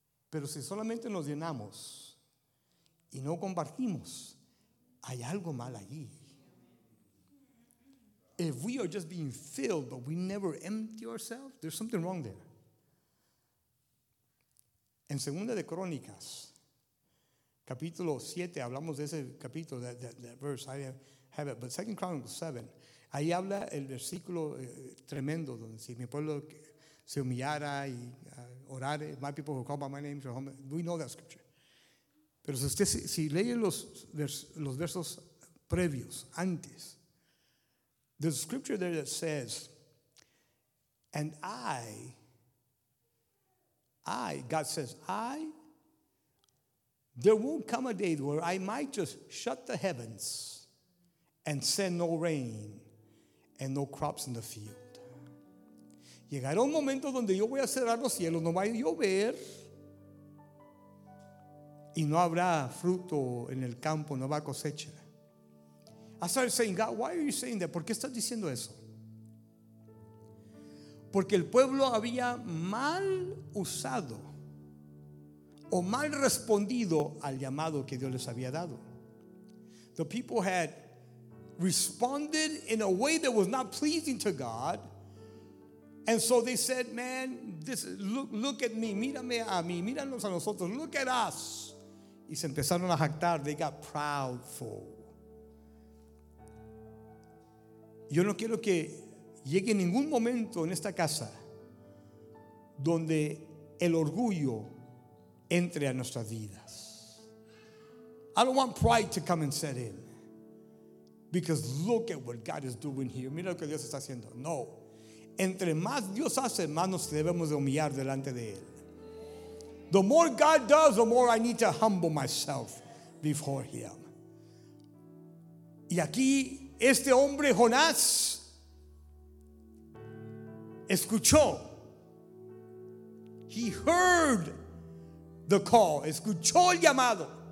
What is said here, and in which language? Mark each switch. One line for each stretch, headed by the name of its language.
Spanish: Pero si solamente nos llenamos y no compartimos, hay algo mal allí.
English: If we are just being filled but we never empty ourselves, there's something wrong there.
Spanish: En Segunda de Crónicas, capítulo 7, hablamos de ese capítulo,
English: that verse, I have it, but Second Chronicles 7,
Spanish: ahí habla el versículo tremendo, donde si mi pueblo se humillara y orare,
English: my people who call by my name, we know that scripture.
Spanish: Pero si usted, si lee los versos previos, antes,
English: there's a scripture there that says, and God says, there won't come a day where I might just shut the heavens and send no rain and no crops in the field.
Spanish: Llegará un momento donde yo voy a cerrar los cielos, no va a llover y no habrá fruto en el campo, no va a cosecha.
English: I started saying, God, why are you saying that?
Spanish: ¿Por qué estás diciendo eso? Porque el pueblo había mal usado o mal respondido al llamado que Dios les había dado.
English: The people had responded in a way that was not pleasing to God. And so they said, man, look at me,
Spanish: mírame a mí, míranos a nosotros,
English: look at us.
Spanish: Y se empezaron a jactar,
English: they got proudful.
Spanish: Yo no quiero que llegue ningún momento en esta casa donde el orgullo entre a nuestras vidas.
English: I don't want pride to come and set in. Because look at what God is doing here.
Spanish: Mira lo que Dios está haciendo. No. Entre más Dios hace, más nos debemos de humillar delante de Él.
English: The more God does, the more I need to humble myself before Him.
Spanish: Y aquí este hombre Jonás escuchó.
English: He heard the call.
Spanish: Escuchó el llamado.